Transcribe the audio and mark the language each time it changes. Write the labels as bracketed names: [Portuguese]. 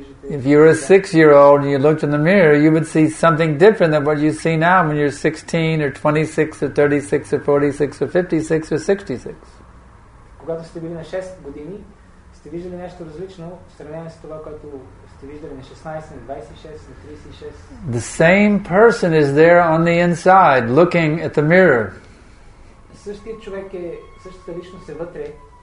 [English] If you were a 6-year-old and you looked in the mirror, you would see something different than what you see now when you're 16 or 26 or 36 or 46 or 56 or 66. [Bulgarian] Когато сте били на 6 години, сте виждали нещо различно в сравнение с това, което сте виждали на 16, на 26, на 36. [English] The same person is there on the inside looking at the mirror. [Bulgarian] Същият човек е, същата личност е вътре.